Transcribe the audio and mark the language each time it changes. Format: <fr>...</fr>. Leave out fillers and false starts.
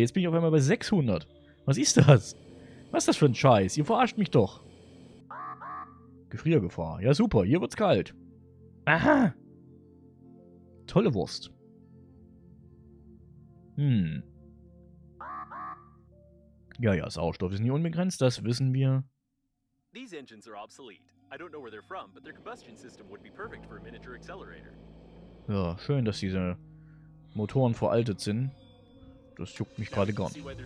<de>Jetzt bin ich auf einmal bei 600. Was ist das? Was ist das für ein Scheiß? Ihr verarscht mich doch. Gefriergefahr. Ja, super. Hier wird's kalt. Aha. Tolle Wurst. Ja, Sauerstoff ist nie unbegrenzt, das wissen wir.</de> <en>These engines are obsolete. I don't know where they're from, but their combustion system would be perfect for a miniature accelerator.</en> <de>Ja, schön, dass diese Motoren veraltet sind. Das juckt mich gerade gar nicht.</de>